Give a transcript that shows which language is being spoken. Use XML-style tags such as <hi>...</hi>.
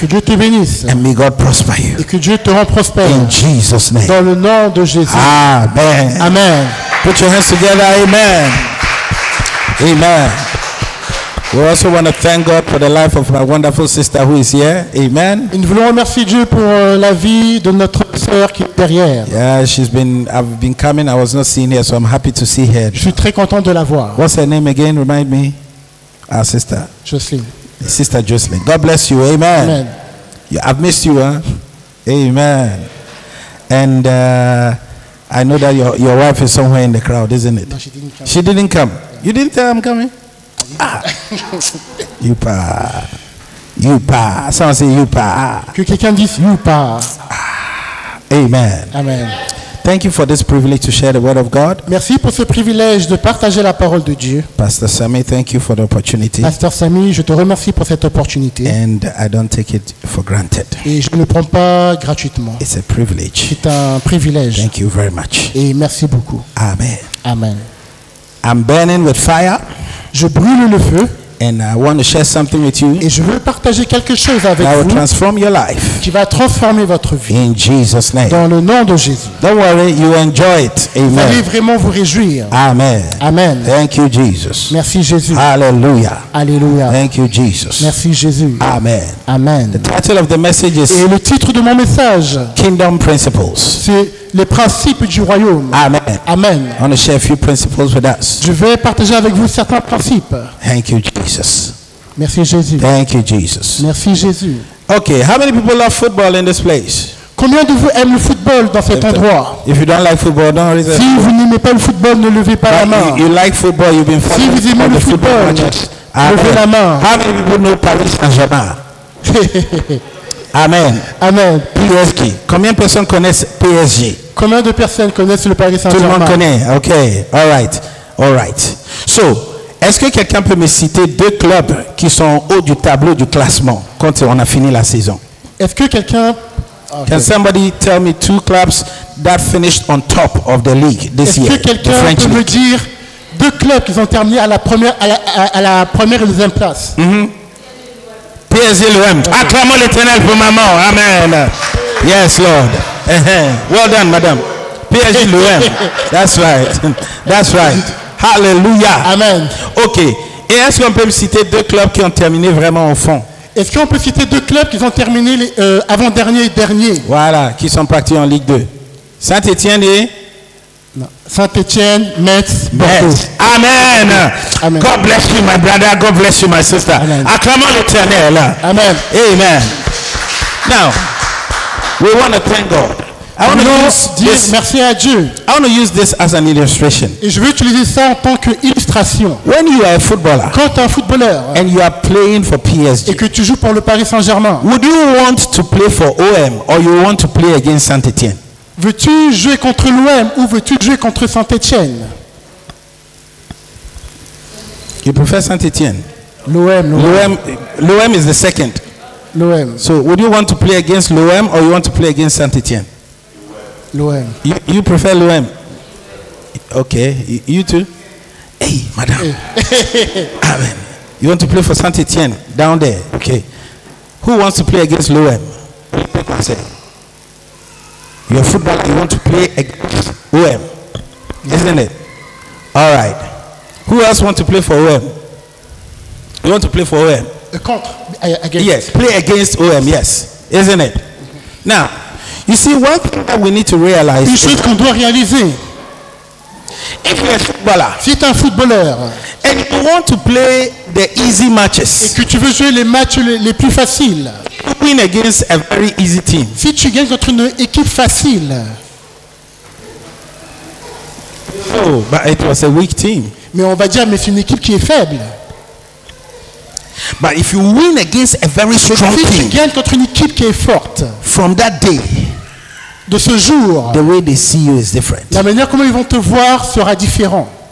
<fr>Que Dieu te bénisse.</fr> <en>And may God prosper you.</en> <fr>Et que Dieu te rend prospère.</fr> <en>In Jesus' name.</en> <fr>Dans le nom de Jésus. Amen. Amen.</fr> <en>Put your hands together. Amen. Amen. We also want to thank God for the life of my wonderful sister who is here. Amen.</en> <fr>Et nous voulons remercier Dieu pour la vie de notre sœur qui est derrière.</fr> <en>Yeah, she's been. I've been coming. I was not seeing her, so I'm happy to see her.</en> <fr>Je suis très content de la voir.</fr> <en>What's her name again? Remind me. Our sister. Jocelyn. Sister Jocelyn. God bless you. Amen. Amen. Yeah, I've missed you, huh? Amen. And I know that your wife is somewhere in the crowd, isn't it? No, she didn't come. She didn't come. Yeah. You didn't tell I'm coming. Ah. Youpa. Youpa. Someone say youpa.</en> <fr>Que quelqu'un dise youpa. Amen. Amen.</fr> <en>Thank you for this privilege to share the word of God.</en> <fr>Merci pour ce privilège de partager la parole de Dieu.</fr> <en>Pastor Sammy, thank you for the opportunity.</en> <fr>Pasteur Sammy, je te remercie pour cette opportunité.</fr> <en>And I don't take it for granted.</en> <fr>Et je ne le prends pas gratuitement.</fr> <en>It's a privilege.</en> <fr>C'est un privilège.</fr> <en>Thank you very much.</en> <fr>Et merci beaucoup. Amen. Amen.</fr> <en>I'm burning with fire.</en> <fr>Je brûle le feu.</fr> <en>And I want to share something with you.</en> <fr>Et je veux partager quelque chose avec</fr> <en>that</en> <fr>vous.</fr> <en>Will transform your life.</en> <fr>Qui va transformer votre vie.</fr> <en>In Jesus' name.</en> <fr>Dans le nom de Jésus.</fr> <en>Don't worry, you enjoy it. Amen.</en> <fr>Vous allez vraiment vous réjouir. Amen. Amen.</fr> <en>Thank you, Jesus.</en> <fr>Merci Jésus. Alléluia. Alléluia.</fr> <en>Thank you, Jesus.</en> <fr>Merci Jésus. Amen. Amen.</fr> <en>The title of the message is.</en> <fr>Et le titre de mon message.</fr> <en>Kingdom principles.</en> <fr>C'est les principes du royaume. Amen. Amen.</fr> <en>I want to share a few principles with us.</en> <fr>Je vais partager avec vous certains principes.</fr> <en>Thank you, Jesus.</en> <fr>Merci Jésus.</fr> <en>Thank you, Jesus.</en> <fr>Merci Jésus.</fr> <en>Okay, how many people love football in this place?</en> <fr>Combien de vous aiment le football dans cet endroit?</fr> <en>If you don't like football, don't raise your hand.</en> <fr>Si vous n'aimez pas le football, ne levez pas la main.</fr> <en>You like football, you've been following.</en> <fr>Si vous aimez le football, levez la main.</fr> <en>How many people know Paris Saint-Germain? Amen. Amen.</en> <fr>PSG. Combien de personnes connaissent PSG? Combien de personnes connaissent le Paris Saint-Germain? Tout le monde connaît.</fr> <en>Ok. All right.</en> <fr>So, est-ce que quelqu'un peut me citer deux clubs qui sont en haut du tableau du classement quand on a fini la saison? Est-ce que quelqu'un...</fr> <en>Okay. Can somebody tell me two clubs that finished on top of the league this year?</en> <fr>Est-ce que quelqu'un peut me dire deux clubs qui ont terminé à la première et deuxième place? Mm-hmm. PSG et l'OM. Okay. Acclamons l'Éternel pour maman. Amen.</fr> <en>Yes, Lord. Well done, madame.</en> <fr>PSG et l'OM.</fr> <en>That's right.</en> <fr>Hallelujah. Amen. Ok. Et est-ce qu'on peut me citer deux clubs qui ont terminé vraiment au fond? Est-ce qu'on peut citer deux clubs qui ont terminé avant-dernier et dernier? Voilà, qui sont partis en Ligue 2. Saint-Étienne et... Saint-Étienne, Metz, Bordeaux. Amen. Amen.</fr> <en>God bless you, my brother. God bless you, my sister. Amen.</en> <fr>Acclamons l'Éternel. Amen.</fr> <en>Amen. Now, we want to thank God.</en> <fr>Merci à Dieu.</fr> <en>I want to use this as an illustration.</en> <fr>Et je veux utiliser ça en tant qu'illustration.</fr> <en>When you are a footballer,</en> <fr>quand tu es un footballeur,</fr> <en>and you are playing for PSG,</en> <fr>et que tu joues pour le Paris Saint-Germain,</fr> <en>would you want to play for OM or you want to play against Saint-Étienne?</en> <fr>Veux-tu jouer contre l'OM ou veux-tu jouer contre Saint-Étienne?</fr> <en>You prefer Saint-Étienne.</en> <fr>L'OM</fr> <en>is the second.</en> <fr>L'OM.</fr> <en>So would you want to play against l'OM or you want to play against Saint-Étienne?</en> <fr>L'OM.</fr> <en>You prefer l'OM? Okay. You too? Hey, madame. Amen. You want to play for Saint-Étienne down there? Okay. Who wants to play against l'OM? Your football, you want to play against OM? Isn't it? All right. Who else wants to play for OM? You want to play for OM? Yes, play against OM, yes. Isn't it? Now, you see, one thing that we need to realize.</en> <fr>Une chose qu'on doit réaliser.</fr> <en>If you're a footballer,</en> <fr>si tu es un footballeur,</fr> <en>and you want to play the easy matches,</en> <fr>et que tu veux jouer les matchs les plus faciles,</fr> <en>you win against a very easy team.</en> <fr>Si tu gagnes contre une équipe facile,</fr> <en>oh, but it was a weak team.</en> <fr>Mais on va dire, mais c'est une équipe qui est faible.</fr> <en>But if you win against a very strong team,</en> <fr>si tu gagnes contre une équipe qui est forte,</fr> <en>from that day,</en> <fr>de ce jour,</fr> <en>the way they see you is different.</en> <fr>La manière comment ils vont te voir sera différente.</fr>